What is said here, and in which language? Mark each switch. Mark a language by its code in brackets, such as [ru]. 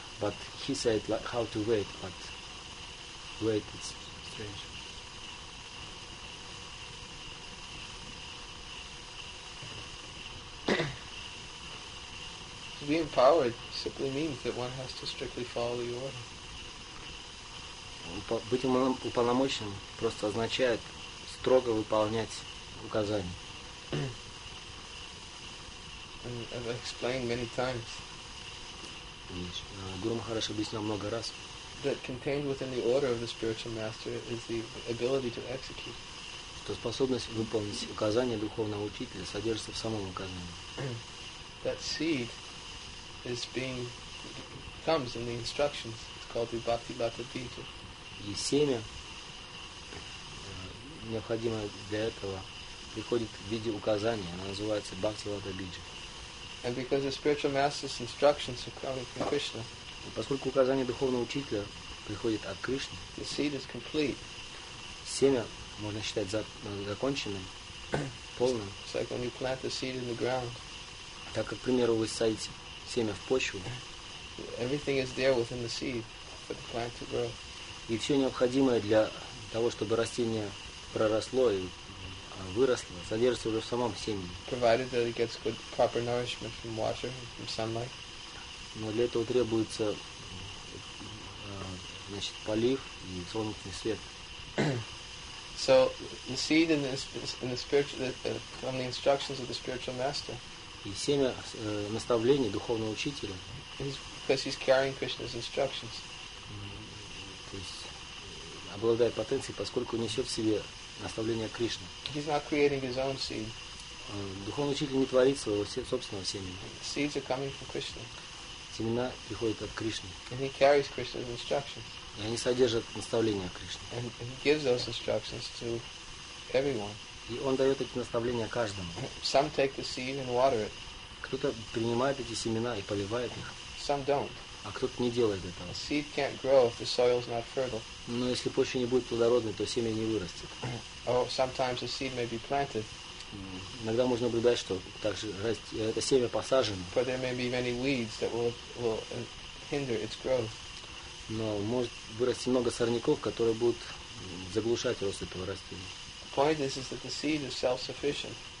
[en] But he said like how to wait, but wait is strange. To be empowered simply means that one has to strictly follow the order. [ru] Быть уполномоченным просто означает строго выполнять указания. [en] And I've explained many times. [ru] Гуру Махарадж объяснял много раз. [en] That contained within the order of the spiritual master is the ability to execute. [ru] Что способность выполнить указания духовного учителя содержится в самом указании. [en] That seed is being comes in the instructions. It's called the bhakti bhata bhita. [ru] И семя, необходимое для этого, приходит в виде указания, она называется бхакти бхата бхиджа. [en] And because the spiritual master's instructions are coming from Krishna, [ru] поскольку указание духовного учителя приходит от Кришны, [en] the seed is complete. [ru] Семя можно считать законченным, полным. [en] It's like when you plant the seed in the ground. [ru] Так как, к примеру, вы садите семя в почву. [en] Everything is there within the seed for the plant to grow. [ru] И все необходимое для того, чтобы растение проросло и выросло, содержится уже в самом семени. [en] Provided that it gets good proper nourishment from water, from sunlight. [ru] Но для этого требуется, значит, полив и солнечный свет. [en] So the seed in the spiritual from the instructions of the spiritual master. [ru] И семя наставлений духовного учителя. [en] Because he's carrying Krishna's instructions. [ru] То есть обладает потенцией, поскольку несет в себе наставления Кришны. [en] He's not creating his own seed. [ru] Духовный учитель не творит своего собственного семени. [en] Seeds are coming from Krishna. [ru] Семена приходят от Кришны. [en] And he carries Krishna's instructions. [ru] И они содержат наставления Кришны. [en] And he gives those instructions to everyone. [ru] И он дает эти наставления каждому. [en] Some take the seed and water it. [ru] Кто-то принимает эти семена и поливает их. [en] Some don't. [ru] А кто-то не делает этого. [en] The seed can't grow if the soil is not fertile. [ru] Но если почва не будет плодородной, то семя не вырастет. [en] Or sometimes the seed may be planted. [ru] Иногда можно наблюдать, что также это семя посажено. [en] But there may be many weeds that will hinder its growth. [ru] Но может вырасти много сорняков, которые будут заглушать рост этого растения. [en] The point is that the seed is self-sufficient.